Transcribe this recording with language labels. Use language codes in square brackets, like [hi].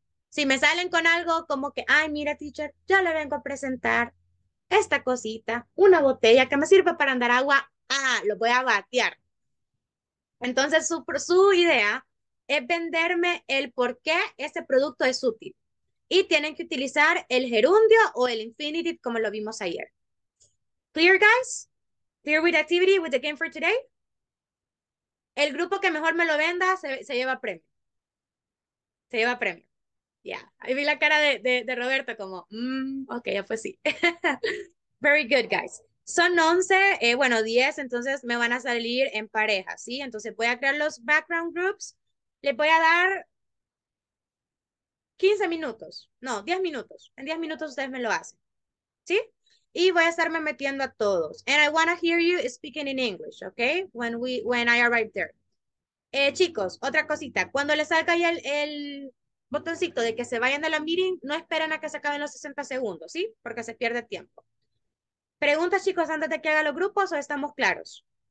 [es] Si me salen con algo como que, ay, mira, teacher, yo le vengo a presentar esta cosita, una botella que me sirve para andar agua, ah, lo voy a batear. Entonces, su idea es venderme el por qué ese producto es útil. Y tienen que utilizar el gerundio o el infinitive, como lo vimos ayer. [en] Clear, guys? Clear with activity, with the game for today? [es] El grupo que mejor me lo venda se lleva premio. Se lleva premio. Yeah. Ahí vi la cara de Roberto como, ok, ya fue sí. [en] Very good, guys. [es] Son 11, 10, entonces me van a salir en pareja, ¿sí? Entonces voy a crear los background groups. Les voy a dar 15 minutos, no, 10 minutos. En 10 minutos ustedes me lo hacen, ¿sí? Y voy a estarme metiendo a todos. [en] And I want to hear you speaking in English, okay? When I arrive there. [es] Chicos, otra cosita. Cuando les salga ahí el botoncito de que se vayan de la meeting, no esperen a que se acaben los 60 segundos, ¿sí? Porque se pierde tiempo. ¿Preguntas, chicos, antes de que haga los grupos o estamos claros?